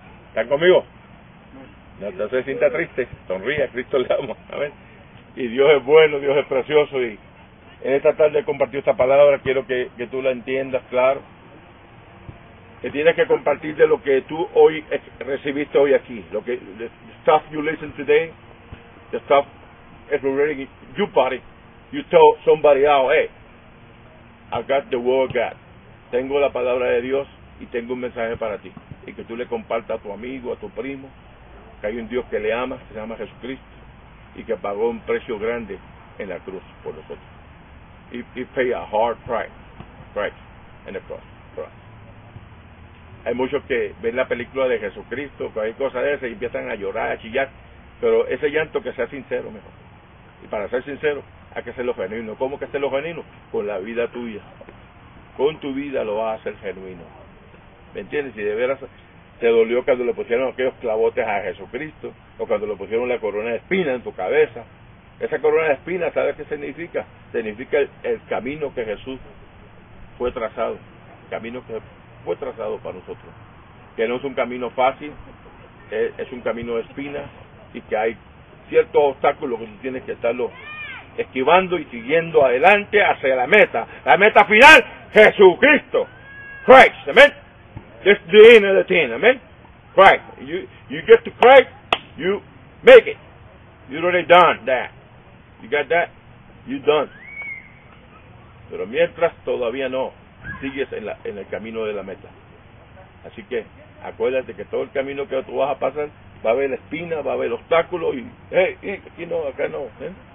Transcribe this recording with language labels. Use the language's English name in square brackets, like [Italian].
[Spanish] ¿Están conmigo? No te sientas triste, sonríe, Cristo le ama. ¿Amén? Y Dios es bueno, Dios es precioso. Y en esta tarde he compartido esta palabra, quiero que tú la entiendas, claro. Que tienes que compartir de lo que tú hoy recibiste hoy aquí. Lo que, [English] the stuff you listen today, the stuff is already, you bought it. You told somebody out, hey, I got the word of God. [Spanish] Tengo la palabra de Dios y tengo un mensaje para ti. Y que tú le compartas a tu amigo, a tu primo, que hay un Dios que le ama, que se llama Jesucristo, y que pagó un precio grande en la cruz por nosotros. [English] He paid a hard price in the cross. [Spanish] Hay muchos que ven la película de Jesucristo, cualquier cosa de esa, y empiezan a llorar, a chillar. Pero ese llanto, que sea sincero mejor. Y para ser sincero, hay que hacerlo genuino. ¿Cómo que hacerlo genuino? Con la vida tuya. Con tu vida lo vas a hacer genuino. ¿Me entiendes? Si de veras te dolió cuando le pusieron aquellos clavotes a Jesucristo, o cuando le pusieron la corona de espinas en tu cabeza. Esa corona de espinas, ¿sabes qué significa? Significa el camino que Jesús fue trazado. El camino que fue trazado para nosotros. Que no es un camino fácil, es un camino de espinas, y que hay ciertos obstáculos que tú tienes que estarlo esquivando y siguiendo adelante hacia la meta. La meta final, Jesucristo. Christ, amén. [English] That's the end of the thing, amen? Christ. You get to Christ, you make it. You already done that. You got that? You done. [Spanish] Pero mientras, todavía no. Sigues en el camino de la meta. Así que, acuérdate que todo el camino que tú vas a pasar, va a haber espina, va a haber obstáculos, y, hey, aquí no, acá no, ¿eh?